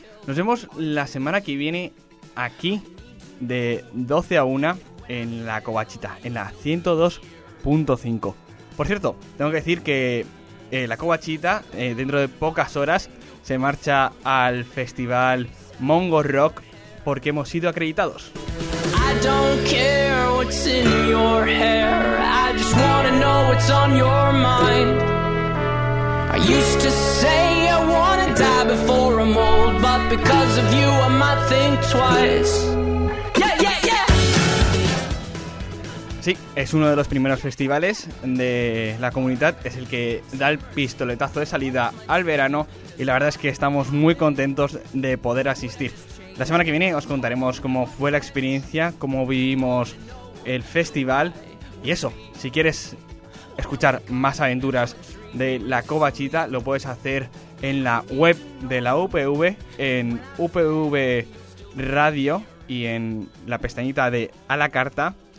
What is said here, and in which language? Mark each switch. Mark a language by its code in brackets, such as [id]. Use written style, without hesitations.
[es] Nos vemos la semana que viene aquí de 12 a 1 en la Covachita, en la 102.5. Por cierto, tengo que decir que la Covachita dentro de pocas horas se marcha al festival Mongo Rock porque hemos sido acreditados. [en] I don't care what's in your hair, I just wanna know what's on your mind. I used to say I wanna die before I'm old, but because of you I might think twice. Yeah, yeah, yeah. [es] Sí, es uno de los primeros festivales de la comunidad, es el que da el pistoletazo de salida al verano y la verdad es que estamos muy contentos de poder asistir. La semana que viene os contaremos cómo fue la experiencia, cómo vivimos el festival y eso, si quieres escuchar más aventuras de la Covachita lo puedes hacer en la web de la UPV, en UPV Radio y en la pestañita de A la Carta.